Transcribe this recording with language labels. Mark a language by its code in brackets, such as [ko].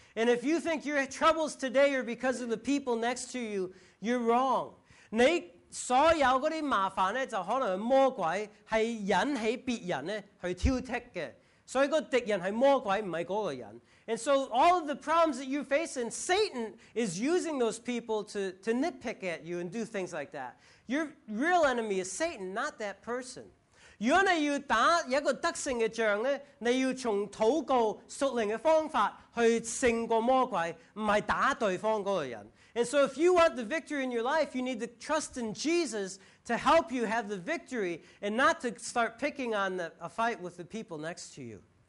[en] And if you think your troubles today are because of the people next to you, you're wrong. [zh] 你所有那些麻烦呢，就可能魔鬼是引起别人呢去挑剔的。所以那个敌人是魔鬼，不是那个人。 [en] And so all of the problems that you face, and Satan is using those people to nitpick at you and do things like that. Your real enemy is Satan, not that person. [zh] 如果你要打一个得胜的仗呢，你要从祷告属灵的方法去胜过魔鬼，不是打对方那个人。 [en] And so if you want the victory in your life, you need to trust in Jesus to help you have the victory and not to start picking on a fight with the people next to you.